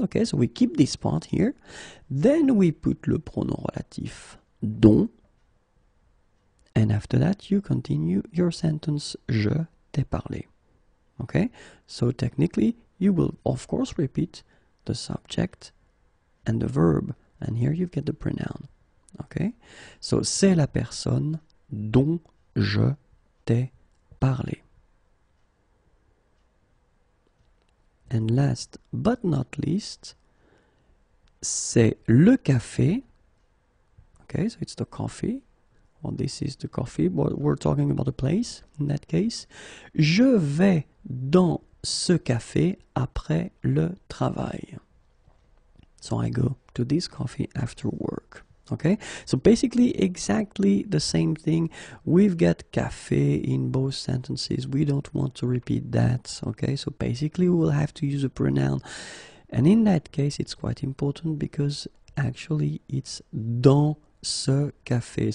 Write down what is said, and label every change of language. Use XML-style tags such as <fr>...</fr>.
<en>Okay, so we keep this part here. Then we put</en> <fr>le pronom relatif dont.</fr> <en>And after that, you continue your sentence.</en> <fr>Je t'ai parlé.</fr> <en>Okay, so technically, you will of course repeat the subject and the verb. And here you get the pronoun. Okay, so</en> <fr>c'est la personne dont je t'ai parlé.</fr> <en>And last but not least,</en> <fr>c'est le café.</fr> <en>Okay, so it's the coffee. Well, this is the coffee, but we're talking about a place in that case.</en> <fr>Je vais dans ce café après le travail.</fr> <en>So I go to this coffee after work. Okay, so basically, exactly the same thing. We've got café in both sentences. We don't want to repeat that. Okay, so basically, we will have to use a pronoun. And in that case, it's quite important because actually, it's</en> <fr>dans ce café.</fr>